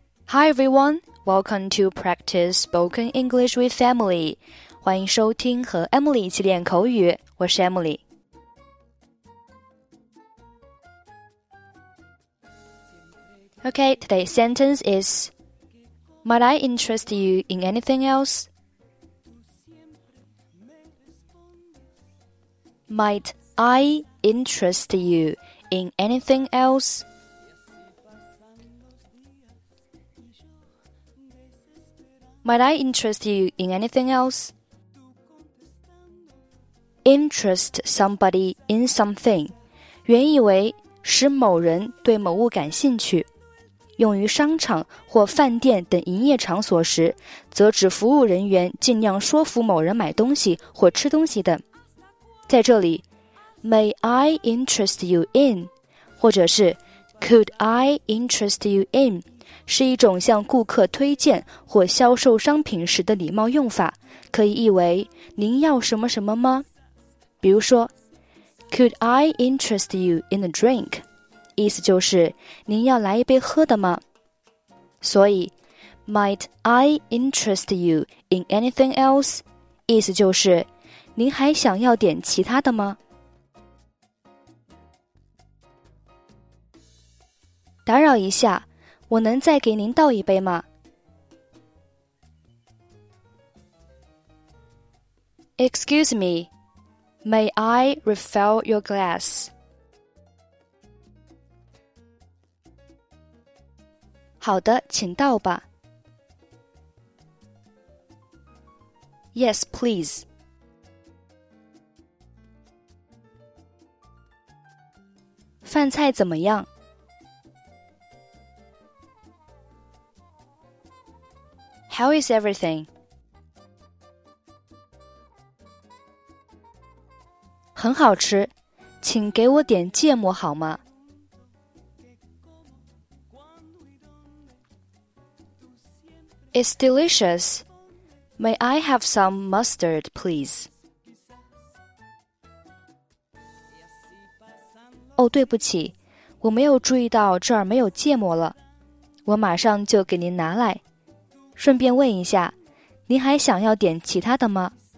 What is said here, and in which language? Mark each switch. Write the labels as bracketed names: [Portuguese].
[English] Hi everyone, welcome to Practice Spoken English with Emily. [Chinese] 欢迎收听和 Emily 一起练口语，我是 Emily。 [English] Okay, today's sentence is, Might I interest you in anything else? Might I interest you in anything else? Might I interest you in anything else? Interest somebody in something. [Chinese] 原意为使某人对某物感兴趣。用于商场或饭店等营业场所时，则指服务人员尽量说服某人买东西或吃东西等。在这里 [English] ,May I interest you in? [Chinese] 或者是 [English] Could I interest you in? [Chinese] 是一种向顾客推荐或销售商品时的礼貌用法，可以译为您要什么什么吗？比如说 [English] Could I interest you in a drink? [Chinese] 意思就是您要来一杯喝的吗？所以 [English] Might I interest you in anything else? [Chinese] 意思就是您还想要点其他的吗？打扰一下，我能再给您倒一杯吗？ [English] Excuse me, may I refill your glass? [Chinese] 好的，请倒吧。 [English] Yes, please. [Chinese] 饭菜怎么样？ [English] How is everything? [Chinese] 很好吃，请给我点芥末好吗？ [English] It's delicious. May I have some mustard, please? [Chinese] 哦，对不起，我没有注意到这儿没有芥末了，我马上就给您拿来。顺便问一下，您还想要点其他的吗？